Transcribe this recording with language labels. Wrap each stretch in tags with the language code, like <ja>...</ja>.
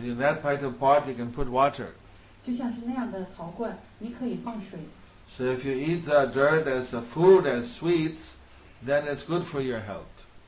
<en>in that part of pot you can put water.</en> <zh>就像是那样的陶罐，你可以放水。So</zh> <en>if you eat the dirt as a food as sweets, then it's good for your health.</en>